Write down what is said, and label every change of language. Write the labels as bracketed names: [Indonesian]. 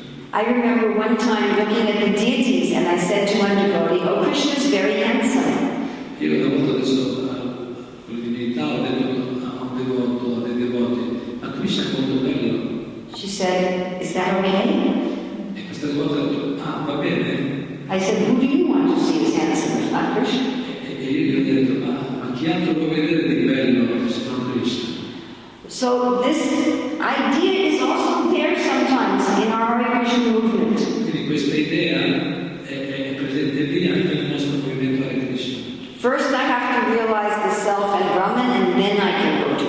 [English] I remember one time looking at the deities and I said to one devotee, oh, Krishna is very handsome. [Italian] Io una volta adesso con le divinità ho detto a un devoto, a dei devoti, ma Krishna è molto bello. [English] She said, is that okay? [Italian] E questa devota ha detto, ah, va bene. [English] I said, who do you want to see as handsome, not Krishna? [Italian] E io gli ho detto, ma chi altro può vedere di bello se non Krishna? [English] So this idea is also there sometimes in our Hare Krishna movement. [Italian] Quindi questa idea è presente lì anche nel nostro movimento Hare Krishna. [English] First I have to realize the self and Brahman and then I can go to